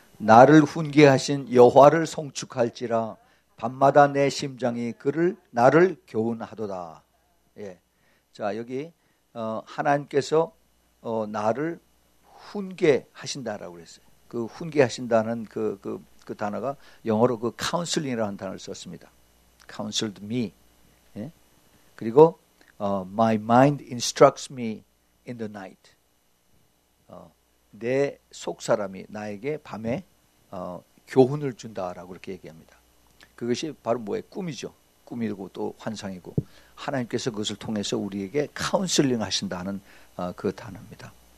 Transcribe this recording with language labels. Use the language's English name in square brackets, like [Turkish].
[Korean] 나를 훈계하신 여호와를 송축할지라 밤마다 내 심장이 그를 나를 교훈하도다. 예. 자, 여기 하나님께서 나를 훈계하신다라고 그랬어요. 그 훈계하신다는 그 단어가 영어로 그 counseling이라는 단어를 썼습니다. [English] counseled me. [Korean] 예? [English] 그리고 my mind instructs me in the night. [Korean] 내 속사람이 나에게 밤에 교훈을 준다라고 이렇게 얘기합니다. 그것이 바로 뭐예요? 꿈이죠. 꿈이고 또 환상이고 하나님께서 그것을 통해서 우리에게 카운슬링 하신다는 그 단어입니다.